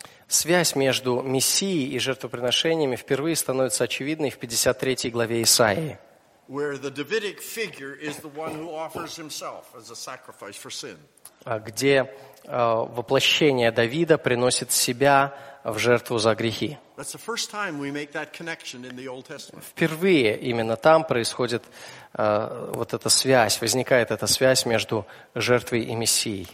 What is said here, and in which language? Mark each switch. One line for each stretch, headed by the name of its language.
Russian: Связь между Мессией и жертвоприношениями впервые становится очевидной в 53 главе Исаии.
English: Where the Davidic figure is the one who offers himself as a sacrifice for sin.
Russian: Где воплощение Давида приносит себя в жертву за грехи.
English: That's the first time we make that connection in the Old Testament.
Russian: Впервые именно там происходит вот эта связь, возникает эта связь между жертвой и Мессией.